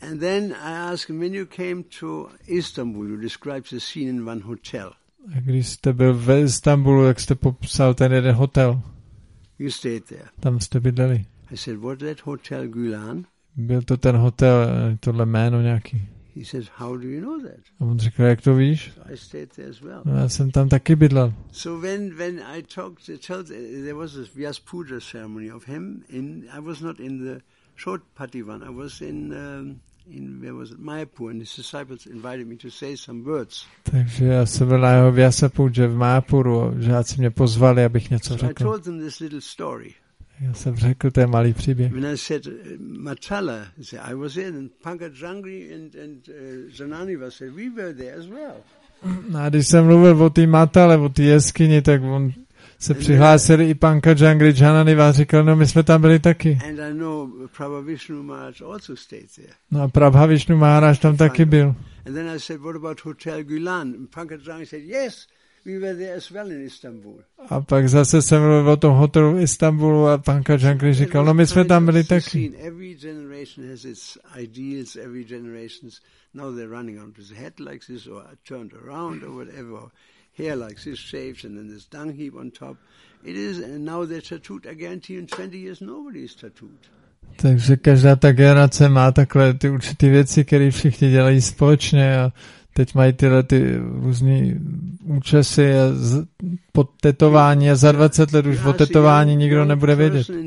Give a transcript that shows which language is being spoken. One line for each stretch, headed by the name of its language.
English: And then I asked him, when you came to Istanbul, you described the scene in one hotel.
Czech: A když jste byl ve Istanbulu, jak jste popsal ten jeden hotel?
English: You stayed there.
Czech: Tam jste bydleli.
English: I said, was that hotel Gulan?
Czech: Byl to ten hotel, tohle jméno nějaký.
English: He says, how do you know that?
Czech: A on říkal, jak to víš?
English: I stayed there as well.
Czech: No, já jsem tam taky bydlel.
English: So when I talked, there was this Vyas Puja ceremony of him. I was not in the short party one. I was in where was it? Mayapur, and his disciples invited me to say some words.
Czech: Takže já jsem byl na jeho Vyasa Puja v Mayapuru, žáci mě pozvali, abych něco řekl.
English: So I told them this little story.
Czech: Já jsem řekl ten malý příběh.
English: When I said Matala, I was in and Pankajangri and Zanani was said we were there as well.
Czech: No, když jsem mluvil o té Matale, o té jeskyni, tak on se přihlásil i Pankajangri, Zanani was říkal, no my jsme tam byli taky.
English: And I know Prabha Vishnu Maharaj also stayed there.
Czech: No a Prabha Vishnu Maharaj tam taky byl.
English: And then I said, what about Hotel Gulan? Pankajangri said, yes. We were there as well in Istanbul.
Czech: A pak zase jsem mluvil o tom hotelu v Istanbulu a pan Kajankri říkal, no my jsme tam byli taky.
English: Every generation has its ideals, every generation, now they're running on his head like this or turned around or whatever, hair like this shaved and then this dung heap on top. It is, and now they're tattooed, I guarantee in 20 years nobody is tattooed.
Czech: Takže každá ta generace má takhle ty určitý věci, které všichni dělají společně a teď mají tyhle ty různý účesy a podtetování a za 20 let už o tetování nikdo nebude vědět.